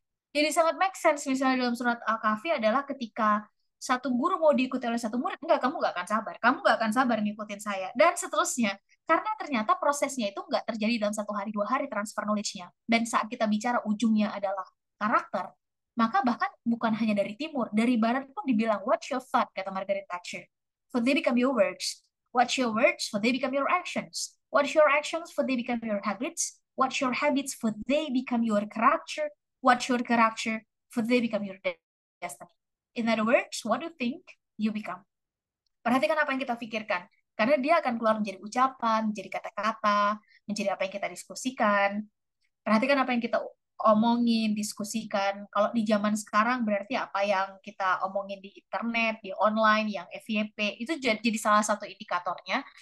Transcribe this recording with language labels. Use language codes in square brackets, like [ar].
[id] Jadi sangat make sense misalnya dalam surat Al-Kahfi adalah ketika satu guru mau diikuti oleh satu murid, enggak, kamu nggak akan sabar. Kamu nggak akan sabar ngikutin saya. Dan seterusnya. Karena ternyata prosesnya itu nggak terjadi dalam 1 hari 2 hari transfer knowledge-nya. Dan saat kita bicara ujungnya adalah karakter, maka bahkan bukan hanya dari timur, dari barat pun dibilang, [en] "Watch your thought," [id] kata Margaret Thatcher. [en] "For they become your words. Watch your words, for they become your actions. Watch your actions, for they become your habits. Watch your habits, for they become your character. Watch your character, for they become your destiny. In other words, what you think, you become." [id] Perhatikan apa yang kita pikirkan. Karena dia akan keluar menjadi ucapan, menjadi kata-kata, menjadi apa yang kita diskusikan. Perhatikan apa yang kita omongin, diskusikan. Kalau di zaman sekarang berarti apa yang kita omongin di internet, di online, yang FYP, itu jadi salah satu indikatornya.